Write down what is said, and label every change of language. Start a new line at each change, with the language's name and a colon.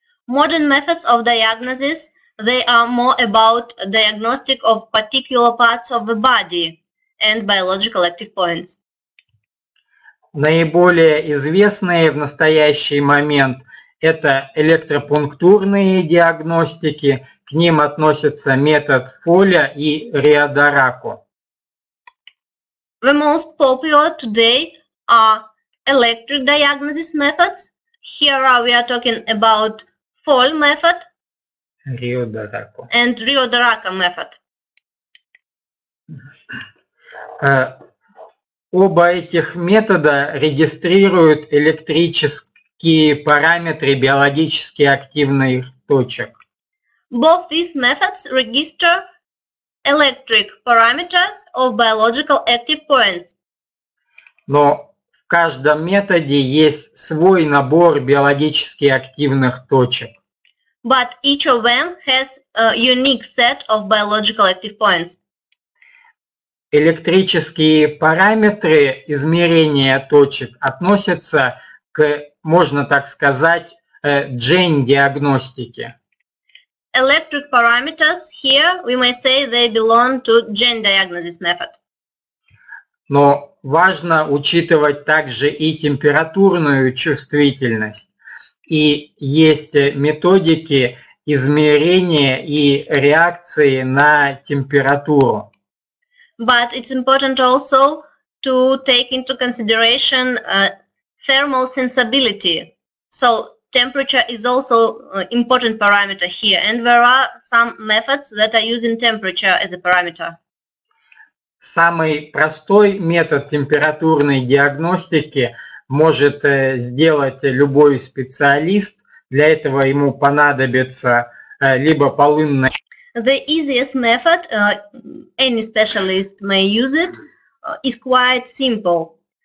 English: Modern methods of diagnosis, they are more about diagnostic of particular parts of the body and biological active points.
Russian: Наиболее известные в настоящий момент – это электропунктурные диагностики, к ним относятся метод Фоля и Риодараку.
English: The most popular today are electric diagnosis methods. Here we are talking about Foll method and Riodaraka method.
Russian: Оба этих метода регистрируют электрические параметры биологически активных точек.
English: Both these methods register electric parameters of biological active points.
Russian: Но в каждом методе есть свой набор биологически активных точек.
English: But each of them has a unique set of biological active points.
Russian: Электрические параметры измерения точек относятся к, можно так сказать, джен-диагностике.
English: Electric parameters here, we may say, they belong to gene diagnosis method.
Russian: Но важно учитывать также и температурную чувствительность. И есть методики измерения и реакции на температуру.
English: But it's important also to take into consideration thermal sensibility. So temperature is also important parameter here, and there are some methods that are using temperature as a parameter.
Russian: Самый простой метод температурной диагностики может сделать любой специалист. Для этого ему понадобится либо полынная.
English: The easiest method any specialist may use it is quite simple.